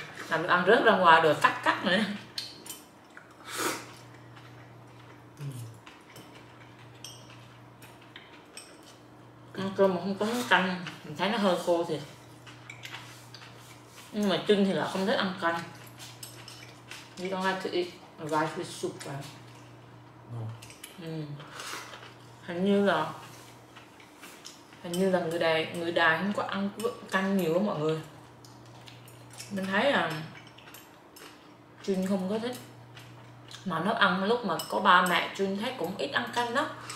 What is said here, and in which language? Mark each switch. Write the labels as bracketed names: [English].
[Vietnamese] Làm đồ ăn rớt ra ngoài rồi cắt nữa. Ăn cơm mà không có nước canh, mình thấy nó hơi khô thiệt. Nhưng mà Trinh thì là không thích ăn canh. [English] You don't have to eat rice with soup, right? No. [Vietnamese] Hình như là người Đài không có ăn canh nhiều á mọi người. Mình thấy là Trinh không có thích. Mà nó ăn lúc mà có ba mẹ, Trinh thấy cũng ít ăn canh đó.